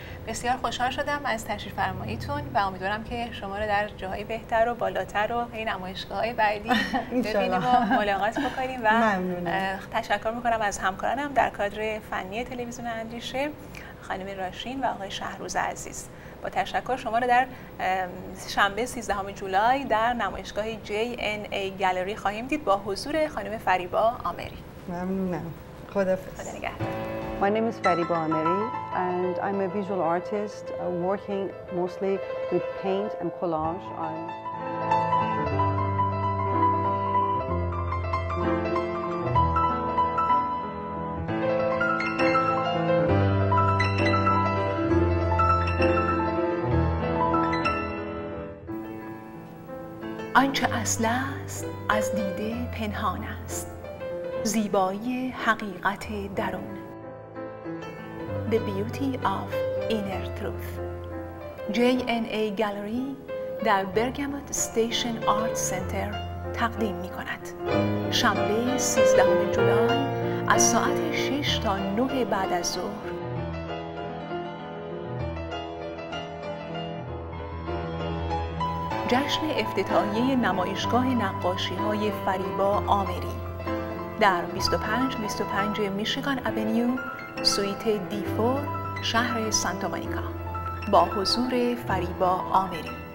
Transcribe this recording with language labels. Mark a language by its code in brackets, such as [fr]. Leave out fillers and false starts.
[fa] بسیار خوشحال شدم از تشریف فرماییتون و امیدوارم که شما رو در جاهای بهتر و بالاتر و این نمایشگاه‌های بعدی ببینیم و ملاقات بکنیم. و تشکر میکنم از همکارانم در کادر فنی تلویزیون اندیشه، خانم راشین و آقای شهروز عزیز. با تشکر شما رو در شنبه 13 جولای در نمایشگاه JNA گالری خواهیم دید با حضور خانم فریبا آمری. ممنونم. خدافظ. خدا نگهدار. [en] My name is Fariba Ameri and I'm a visual artist working mostly with paint and collage. [fa] آنچه اصل است از دیده پنهان است، زیبایی حقیقت درون. [en] The Beauty of Inner Truth. [fa] JNA Gallery در Bergamot Station Art Center تقدیم می کند. شنبه 13 جولای از ساعت 6 تا 9 بعد از ظهر. جشن افتتاحیه نمایشگاه نقاشی های فریبا آمری در 2525 میشیگان اونیو، سویت D4، شهر سانتا مونیکا، با حضور فریبا آمری.